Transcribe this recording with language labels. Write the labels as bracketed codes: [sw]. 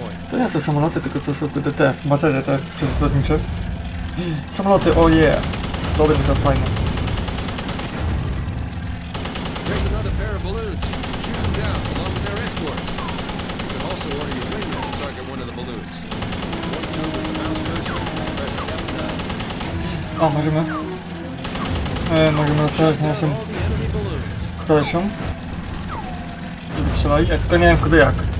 [pl] To nie są samoloty, tylko to są te, baterie te przeciwtechnicze. Samoloty, [en] oh yeah! [pl] Dobry, to jest fajne. [en] There's another pair of balloons. Shoot them down along with their escorts. You can also order your radio to target one of the balloons. One two with the mouse cursor. Press F9. [pl] O, możemy. Możemy strzelać naszym krosiom. Strzelali, ja tylko nie wiem kiedy jak.